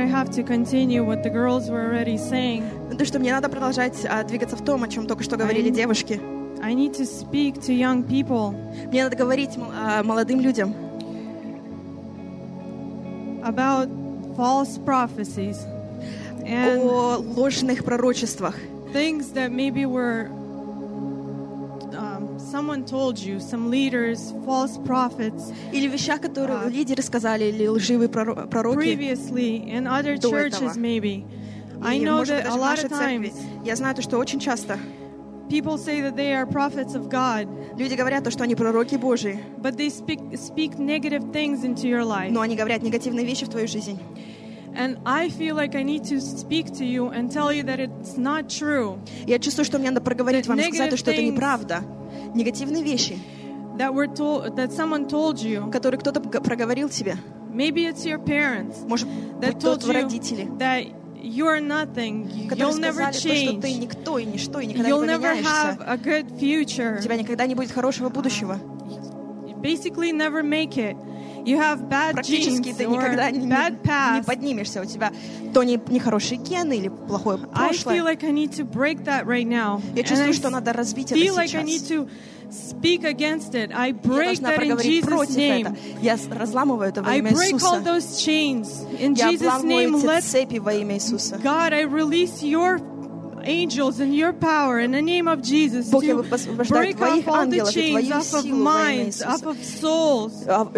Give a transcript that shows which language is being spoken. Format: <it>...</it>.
<en>To continue what the girls were already saying.</en> <ru>То, что мне надо продолжать двигаться в том, о чем только что говорили девушки.</ru> <en>I need to speak to young people.</en> <ru>Мне надо говорить молодым людям.</ru> <en>About false prophecies.</en> <ru>О ложных пророчествах.</ru> <en>Things that maybe were someone told you, some leaders, false prophets.</en> <ru>Или вещи, которые лидеры сказали, или лживые пророки.</ru> <en>Previously, in other churches, maybe. I know that a lot of times.</en> <ru>Я знаю то, что очень часто.</ru> <en>People say that they are prophets of God.</en> <ru>Люди говорят то, что они пророки Божьи.</ru> <en>But they speak negative things into your life.</en> <ru>Но они говорят негативные вещи в твою жизнь.</ru> <en>And I feel like I need to speak to you and tell you that it's not true.</en> <ru>Я чувствую, что мне надо проговорить вам и сказать, что это неправда. Негативные вещи,</ru> <en>that someone told you,</en> <ru>которые кто-то проговорил тебе.</ru> <en>Maybe it's your parents,</en> <ru>может быть, тот твои родители,</ru> <en>that you are nothing, you'll never change,</en> <ru>что ты никто и ничто, и никогда</ru> <en>you'll</en> <ru>не поменяешься.</ru> <en>Never have a good future.</en> <ru>У тебя никогда не будет хорошего будущего.</ru> <en>Basically never make it. You have bad</en> <ru>практически</ru> <en>genes</en> <ru>ты никогда</ru> <en>bad past.</en> <ru>Не поднимешься. У тебя то нехорошие гены или плохое прошлое.</ru> <en>I feel like I need to break that right now.</en> <ru>Я чувствую, что надо разбить это сейчас.</ru> <en>I feel like I need to speak against it. I break that in Jesus' name.</en> <ru>Я разламываю это во имя Иисуса.</ru> <en>I break all those chains in Jesus' name. Let</en> <ru>цепи во имя Иисуса.</ru> <en>God, I release your angels and your power in the name of Jesus to break off all the chains off of minds, off of souls,</en>